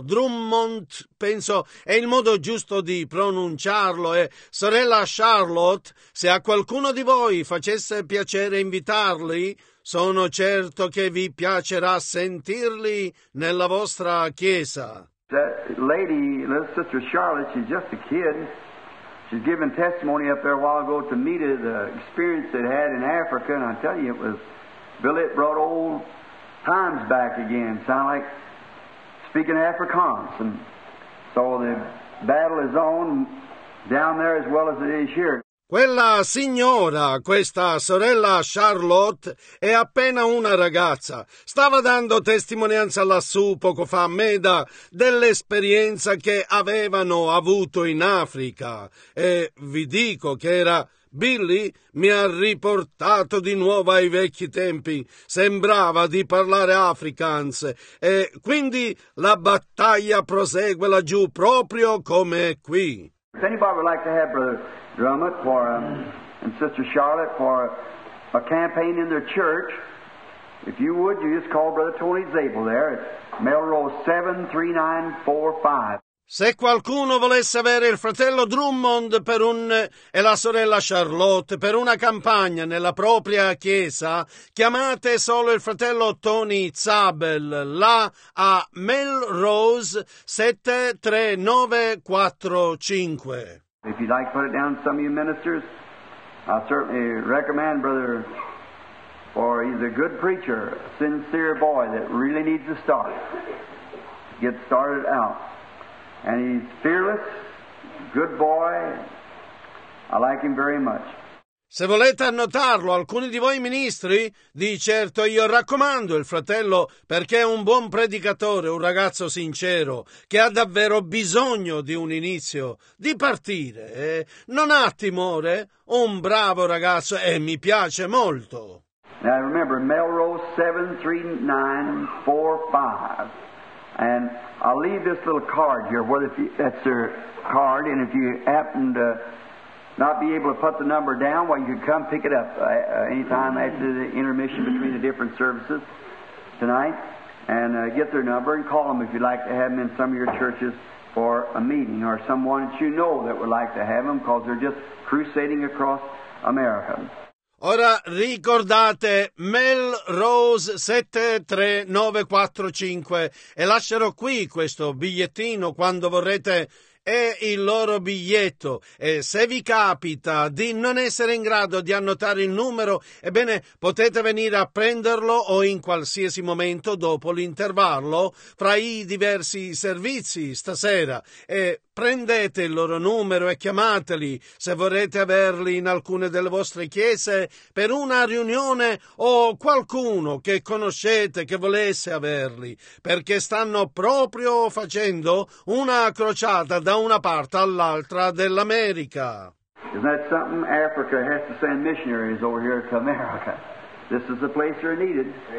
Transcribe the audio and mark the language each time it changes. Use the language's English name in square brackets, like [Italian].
[Italian] Drummond, penso, è il modo giusto di pronunciarlo. E sorella Charlotte, se a qualcuno di voi facesse piacere invitarli, sono certo che vi piacerà sentirli nella vostra chiesa. [English] That lady, little sister Charlotte, she's just a kid. She's giving testimony up there a while ago to meet the experience they had in Africa. And I tell you, it was, Billy, it brought old times back again. Sound like speaking Afrikaans. And so the battle is on down there as well as it is here. [Italian] Quella signora, questa sorella Charlotte, è appena una ragazza. Stava dando testimonianza lassù poco fa a Meda dell'esperienza che avevano avuto in Africa. E vi dico che era Billy, mi ha riportato di nuovo ai vecchi tempi. Sembrava di parlare Afrikaans. E quindi la battaglia prosegue laggiù proprio come qui. [English] Se anybody would like to have Brother Drummond for and Sister Charlotte for a campaign in their church, if you would, you just call Brother Tony Zabel there at Melrose 73945. [Italian] Se qualcuno volesse avere il fratello Drummond per un e la sorella Charlotte per una campagna nella propria chiesa, chiamate solo il fratello Tony Zabel là a Melrose 73945. [English] If you'd like to put it down to some of you ministers, I certainly recommend Brother, or he's a good preacher, a sincere boy that really needs to start. Get started out. And he's fearless, good boy. I like him very much. [Italian] Se volete annotarlo, alcuni di voi ministri, di certo io raccomando il fratello perché è un buon predicatore, un ragazzo sincero, che ha davvero bisogno di un inizio, di partire. Non ha timore, un bravo ragazzo e mi piace molto. [English] Now remember, Melrose 73945. And I'll leave this little card here, whether that's their card, and if you happen to not be able to put the number down, well, you can come pick it up anytime after the intermission between the different services tonight, and get their number and call them if you'd like to have them in some of your churches for a meeting, or someone that you know that would like to have them, because they're just crusading across America. [Italian] Ora ricordate Melrose 73945 e lascerò qui questo bigliettino quando vorrete e il loro biglietto. E se vi capita di non essere in grado di annotare il numero, ebbene potete venire a prenderlo o in qualsiasi momento dopo l'intervallo fra i diversi servizi stasera. E prendete il loro numero e chiamateli se vorrete averli in alcune delle vostre chiese per una riunione o qualcuno che conoscete che volesse averli, perché stanno proprio facendo una crociata da una parte all'altra dell'America. [English] Isn't that something? Africa has to send missionaries over here to America. This is the place they're needed.